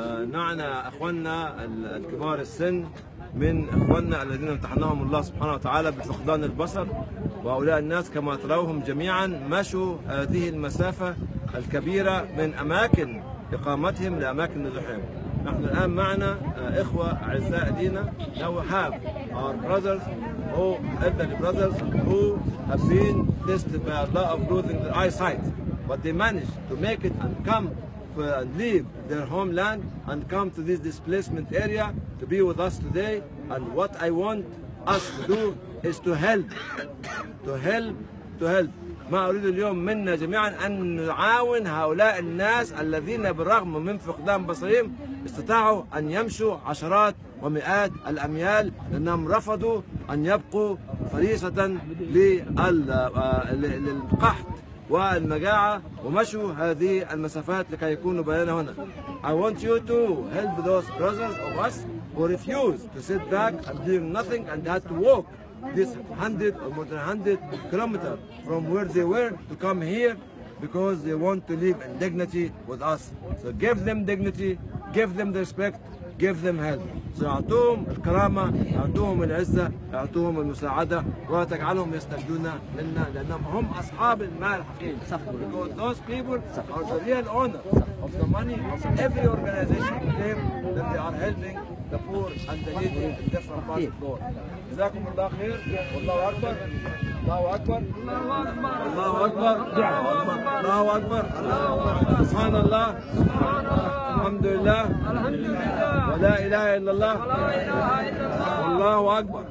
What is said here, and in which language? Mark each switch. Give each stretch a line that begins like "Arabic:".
Arabic: معنا أخواننا الكبار السن من أخواننا الذين امتحنهم الله سبحانه وتعالى بفقدان البصر، وهؤلاء الناس كما تروهم جميعا مشوا هذه المسافة الكبيرة من أماكن إقامتهم لأماكن نزوحهم. نحن الآن معنا إخوة أعزاء لينا،
English: now we have our brothers who elderly brothers who have been tested by Allah of losing their eyesight, but they managed to make it and come for, and leave their homeland and come to this displacement area to be with us today. And what I want us to do is to help, to help, to help.
Arabic: ما أريد اليوم منا جميعا أن نعاون هؤلاء الناس الذين بالرغم من فقدان بصرهم استطاعوا أن يمشوا عشرات ومئات الأميال لأنهم رفضوا أن يبقوا فريسة للقحط والمجاعة ومشوا هذه المسافات لكي يكونوا بيننا هنا.
English: I want you to help those brothers of us who refuse to sit back and do nothing and had to walk this 100 or more than 100 kilometers from where they were to come here because they want to live in dignity with us. So give them dignity, give them the respect, give them help. So
Arabic: أعطوهم الكرامة، أعطوهم العزة، أعطوهم المساعدة، وتجعلهم يستفيدون منا لأنهم هم أصحاب المال الحقيقي.
English: Because those people are the real owners of the money of every organization claims that they are helping the poor and the needy in different parts of the world.
Arabic: جزاكم الله خير والله أكبر. الله أكبر. الله أكبر. الله أكبر. سبحان الله. الحمد لله. ولا إله إلا الله. الله أكبر.